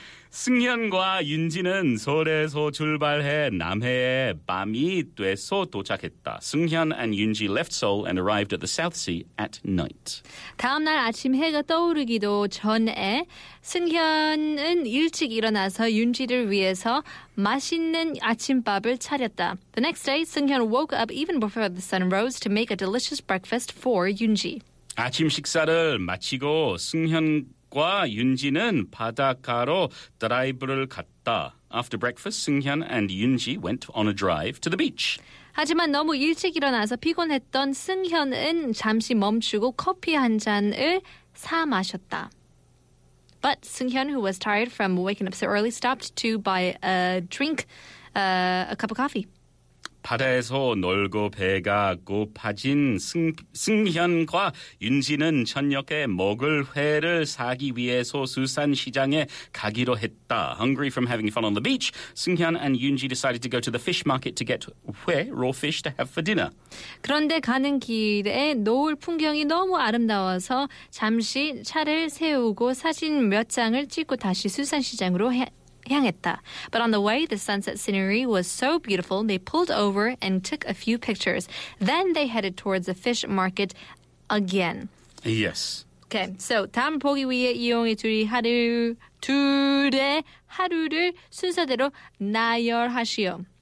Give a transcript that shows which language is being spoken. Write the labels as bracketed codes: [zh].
[ko] 승현과 윤지는 서울에서 출발해 남해에 밤이 돼서 도착했다. [en] 승현 and Yoonji left Seoul and arrived at the South Sea at night. [ko] 다음 날 아침 해가 떠오르기도 전에 승현은 일찍 일어나서 윤지를 위해서 맛있는 아침밥을 차렸다. [en] The next day, 승현 woke up even before the sun rose to make a delicious breakfast for Yoonji. [ko] 아침 식사를 마치고 승현 과 윤지는 바닷가로 드라이브를 갔다. [en] After breakfast, Seunghyun and Yoonji went on a drive to the beach. [ko] 하지만 너무 일찍 일어나서 피곤했던 승현은 잠시 멈추고 커피 한 잔을 사 마셨다. [en] But Seunghyun, who was tired from waking up so early, stopped to buy a drink, a cup of coffee. [ko] 바다에서 놀고 배가 고파진 승현과 윤지는 저녁에 먹을 회를 사기 위해서 수산시장에 가기로 했다. [en] Hungry from having fun on the beach, Seunghyun and Yoonji decided to go to the fish market to get hue, raw fish, to have for dinner. [ko] 그런데 가는 길에 노을 풍경이 너무 아름다워서 잠시 차를 세우고 사진 몇 장을 찍고 다시 수산시장으로 향했다. [en] But on the way, the sunset scenery was so beautiful, they pulled over and took a few pictures. Then they headed towards the fish market again. Yes. Okay, so [ko] 다음 보기 위해 이용해 둘의 하루를 순서대로 나열하시오.